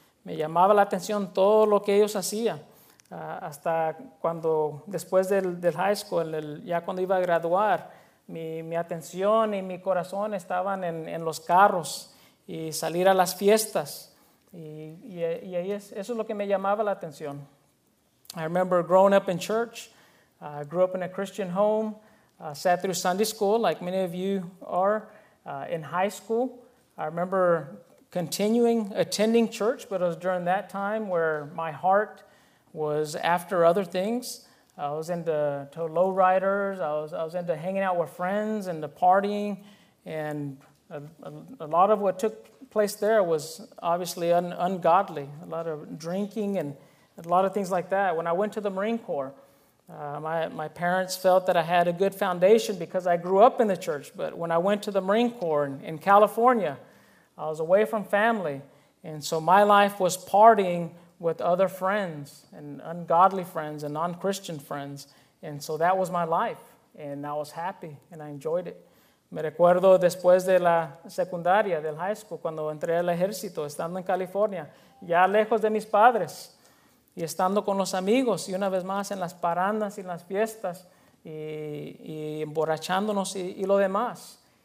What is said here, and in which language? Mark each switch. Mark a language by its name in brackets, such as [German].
[Spanish] Me llamaba la atención todo lo que ellos hacían. Hasta cuando después del high school, ya cuando iba a graduar, mi atención y mi corazón estaban en los carros y salir a las fiestas. Y ahí eso es lo que me llamaba la atención. [English] I remember growing up in church. I grew up in a Christian home. Sat through Sunday school like many of you are. In high school, I remember attending church, but it was during that time where my heart was after other things. I was into lowriders. I was into hanging out with friends and the partying. And a lot of what took place there was obviously ungodly, a lot of drinking and a lot of things like that. When I went to the Marine Corps, my parents felt that I had a good foundation because I grew up in the church. But when I went to the Marine Corps in California, I was away from family. And so my life was partying with other friends and ungodly friends and non-Christian friends. And so that was my life. And I was happy and I enjoyed it. [Spanish] Me recuerdo después de la secundaria, del high school, cuando entré al ejército, estando en California, ya lejos de mis padres, y estando con los amigos, y una vez más en las parandas y en las fiestas, y emborrachándonos y lo demás.